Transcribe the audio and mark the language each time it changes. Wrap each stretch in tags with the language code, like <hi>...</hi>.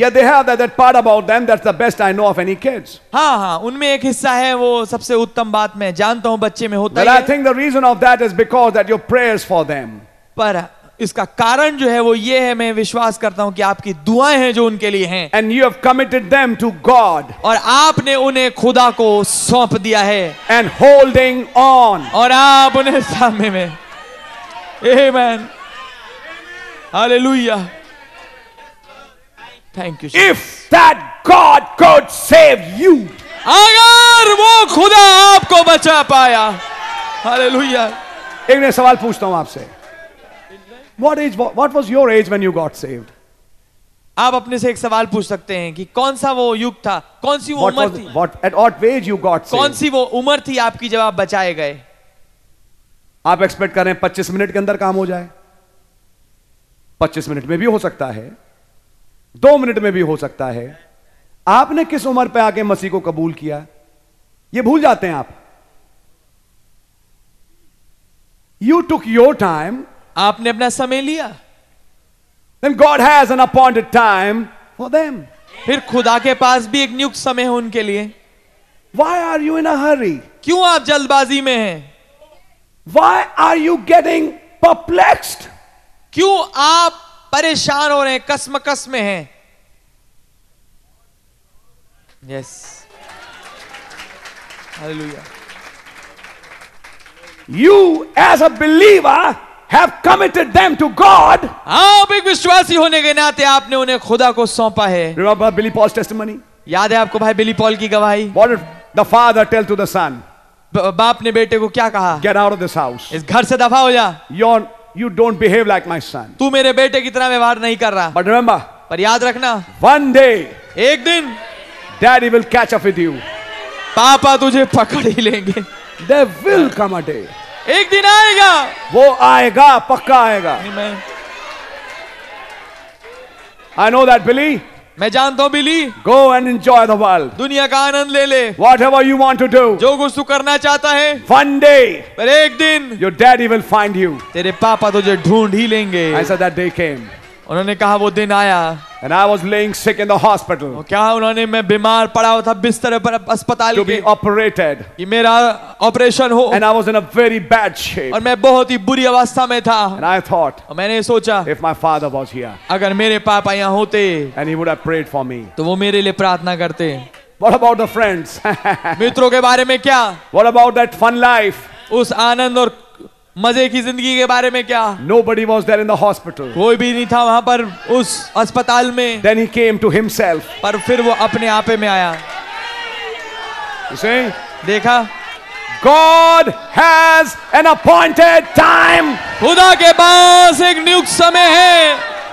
<en>Yeah, they have that part about them. That's the best I know of any kids.</en> <hi>हाँ हाँ, उनमें एक हिस्सा है वो सबसे उत्तम बात मैं जानता हूँ बच्चे में होता well, है.</hi> <en>But I think the reason of that is because that your prayers for them.</en> <hi>पर इसका कारण जो है वो ये है मैं विश्वास करता हूँ कि आपकी दुआएं हैं जो उनके लिए हैं.</hi> <en>And you have committed them to God.</en> <hi>और आपने उन्हें खुदा को सौंप दिया है.</hi> <en>And holding on.</en> <hi>और आप उन्हें सामने में. Amen. Hallelujah.</hi> <en>Thank you, Jesus. If that God could save you.</en> <hi>अगर वो खुदा आपको बचा पाया.</hi> <en>Hallelujah.</en> <hi>एक नया सवाल पूछता हूँ आपसे.</hi> <en>What age? What was your age when you got saved?</en> <hi>आप अपने से एक सवाल पूछ सकते हैं कि कौन सा वो युग था, कौन सी वो उम्र थी?</hi> <en>At what age you got saved?</en> <hi>कौन सी वो उम्र थी आपकी जब आप बचाए गए? आप एक्सपेक्ट करें 25 मिनट के अंदर काम हो जाए? 25 मिनट में भी हो सकता है, 2 मिनट में भी हो सकता है. आपने किस उम्र पे आके मसीह को कबूल किया? ये भूल जाते हैं आप.</hi> <en>You took your time.</en> <hi>आपने अपना समय लिया.</hi> <en>Then God has an appointed time for them.</en> <hi>फिर खुदा के पास भी एक नियुक्त समय है उनके लिए.</hi> <en>Why are you in a hurry?</en> <hi>क्यों आप जल्दबाजी में हैं?</hi> <en>Why are you getting perplexed?</en> <hi>क्यों आप परेशान हो रहे हैं, कसमकस में हैं?</hi> <en>Yes. Hallelujah. You as a believer have committed them to God.</en> <hi>आप एक विश्वासी होने के नाते आपने उन्हें खुदा को सौंपा है.</hi> <en>Remember Billy Paul's testimony?</en> <hi>याद है आपको भाई बिली पॉल की गवाही?</hi> <en>What did the father tell to the son?</en> <hi>बाप ने बेटे को क्या कहा?</hi> <en>Get out of this house.</en> <hi>इस घर से दफा हो जा.</hi> <en>You don't behave like my son.</en> <hi>तू मेरे बेटे की तरह व्यवहार नहीं कर रहा.</hi> <en>But remember.</en> <hi>पर याद रखना.</hi> <en>One day.</en> <hi>एक दिन.</hi> <en>Daddy will catch up with you.</en> <hi>पापा तुझे पकड़ ही लेंगे.</hi> <en>There will come a day.</en> <hi>एक दिन आएगा. वो आएगा, पक्का आएगा.</hi> <en>Amen. I know that Billy.</en> <hi>मैं जानता हूं बिली.</hi> <en>Go and enjoy the world.</en> <hi>दुनिया का आनंद ले ले.</hi> <en>Whatever you want to do.</en> <hi>जो कुछ तू करना चाहता है.</hi> <en>One day.</en> <hi>पर एक दिन.</hi> <en>Your daddy will find you.</en> <hi>तेरे पापा तुझे ढूंढ ही लेंगे.</hi> <en>I said that day came.</en> <hi>उन्होंने कहा वो दिन आया.</hi> <en>And I was laying sick in the hospital.</en> <hi>क्या उन्होंने मैं बीमार पड़ा हुआ था बिस्तर पर अस्पताल</hi> <en>के. To be operated.</en> <hi>कि मेरा ऑपरेशन हो.</hi> <en>And I was in a very bad shape.</en> <hi>और मैं बहुत ही बुरी अवस्था में था.</hi> <en>And I thought.</en> <hi>और मैंने सोचा.</hi> <en>If my father was here.</en> <hi>अगर मेरे पापा यहाँ होते.</hi> <en>And he would have prayed for me.</en> <hi>तो वो मेरे लिए प्रार्थना करते.</hi> <en>What about the friends?</en> <hi>मित्रों के बारे में क्या?</hi> <en>What about that fun life?</en> <hi>उस आनंद और मजे की जिंदगी के बारे में क्या?</hi> <en>Nobody was there in the hospital.</en> <hi>कोई भी नहीं था वहां पर उस अस्पताल में.</hi> <en>Then he came to himself.</en> <hi>पर फिर वो अपने आपे में आया.</hi> <en>You see?</en> <hi>देखा?</hi> <en>God has an appointed time.</en> <hi>खुदा के पास एक नियुक्त समय है.</hi>